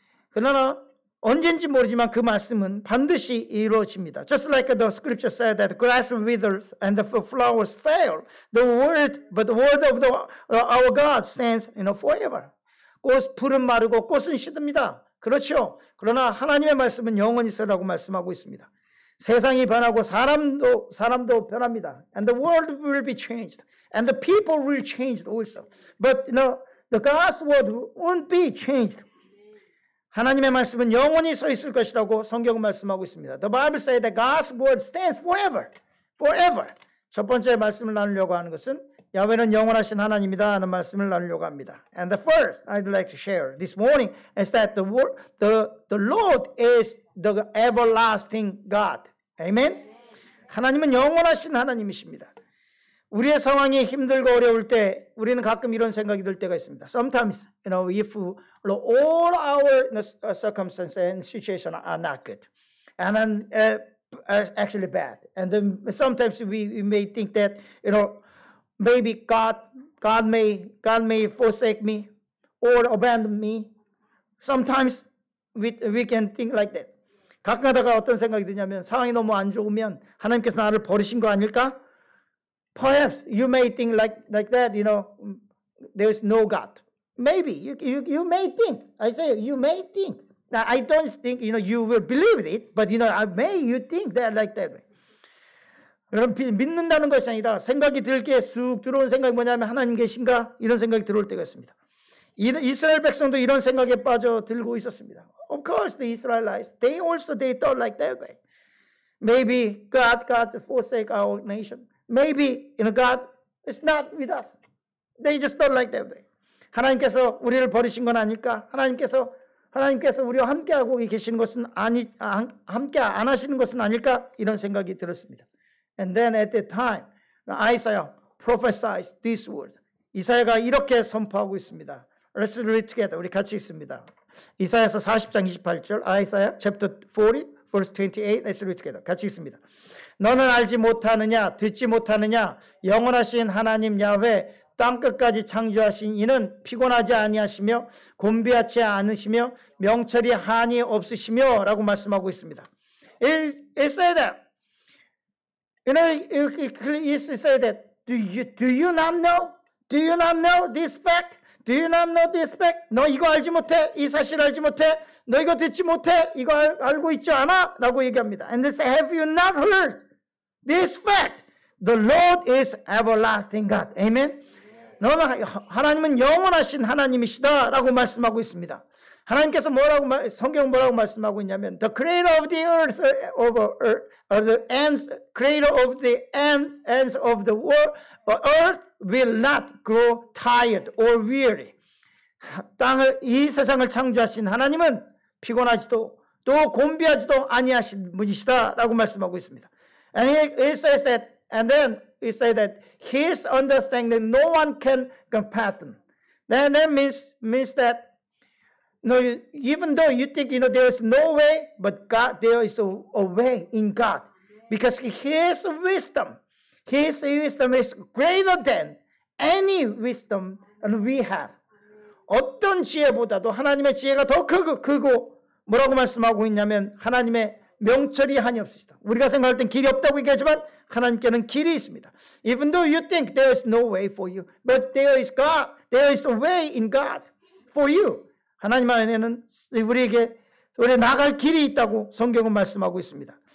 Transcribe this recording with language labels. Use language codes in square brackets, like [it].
[ko] 그러나 언젠지 모르지만 그 말씀은 반드시 이루어집니다. [en] Just like the scripture said that grass withers and the flowers fail, the word of our God stands, you know, forever. [ko] 풀은 마르고 꽃은 시듭니다. 그렇죠. 그러나 하나님의 말씀은 영원히 서라고 말씀하고 있습니다. 세상이 변하고 사람도 변합니다. [en] And the world will be changed and the people will change also. But you know, the God's word won't be changed. [ko] 하나님의 말씀은 영원히 서 있을 것이라고 성경은 말씀하고 있습니다. [en] The Bible says that God's word stands forever. Forever. [ko] 첫 번째 말씀을 나누려고 하는 것은 야훼는 영원하신 하나님이다 하는 말씀을 나누려고 합니다. [en] And the first I'd like to share this morning is that the Lord is the everlasting God. Amen. [ko] 하나님은 영원하신 하나님이십니다. 우리의 상황이 힘들고 어려울 때 우리는 가끔 이런 생각이 들 때가 있습니다. [en] Sometimes, you know, if all our circumstances and situation are not good, and then actually bad, and then sometimes we may think that, you know, maybe God may forsake me or abandon me. Sometimes we can think like that. [ko] 가끔가다가 어떤 생각이 드냐면 상황이 너무 안 좋으면 하나님께서 나를 버리신 거 아닐까? [en] Perhaps you may think like that, you know, there is no God. Maybe you may think. I say you may think. Now, I don't think, you know, you will believe it, but you know, you think that like that. [ko] 여러분 믿는다는 것이 아니라 생각이 들게 쑥 들어온 생각이 뭐냐면 하나님 계신가 이런 생각이 들어올 때가 있습니다. 이스라엘 백성도 이런 생각에 빠져 들고 있었습니다. [en] Of course, the Israelites, they thought like that way. Maybe God forsake our nation. Maybe, you know, God is not with us. They just thought like that way. [ko] 하나님께서 우리를 버리신 건 아닐까? 하나님께서 우리와 함께하고 계시는 것은 아니, 함께 안 하시는 것은 아닐까? 이런 생각이 들었습니다. [en] And then at that time, Isaiah prophesied this word. [ko] 이사야가 이렇게 선포하고 있습니다. [en] Let's read together. [ko] 우리 같이 읽습니다. 이사야서 40장 28절. [en] Isaiah chapter 40 verse 28. Let's read together. [ko] 같이 읽습니다. 너는 알지 못하느냐 듣지 못하느냐 영원하신 하나님 야훼 땅끝까지 창조하신 이는 피곤하지 아니하시며 곤비하지 않으시며 명철이 한이 없으시며 라고 말씀하고 있습니다. [en] It said that. You know, it said that. Do you not know? Do you not know this fact? Do you not know this fact? [ko] 너 이거 알지 못해? 이 사실 알지 못해? 너 이거 듣지 못해? 이거 알고 있지 않아? 라고 얘기합니다. [en] And they say, have you not heard this fact? The Lord is everlasting God. Amen? [ko] 너는 하나님은 영원하신 하나님이시다 라고 말씀하고 있습니다. 하나님께서 뭐라고 성경은 뭐라고 말씀하고 있냐면 [en] The creator of the earth or the ends creator of the ends of the world earth will not grow tired or weary. [ko] 땅을 이 세상을 창조하신 하나님은 피곤하지도 또 곤비하지도 아니하신 분이시다라고 말씀하고 있습니다. [en] And he says that and then he said that his understanding no one can compare them. That means that No, even though you think you know there is no way, but God, there is a way in God, because His wisdom is greater than any wisdom that we have. [ko] 어떤 지혜보다도 하나님의 지혜가 더 크고 뭐라고 말씀하고 있냐면 하나님의 명철이 한이 없으시다. 우리가 생각할 땐 길이 없다고 얘기하지만 하나님께는 길이 있습니다. [en] Even though you think there is no way for you, but there is God. There is a way in God for you. [ko] 하나님 안에는 우리에게 우리 나갈 길이 있다고 성경은 말씀하고 있습니다.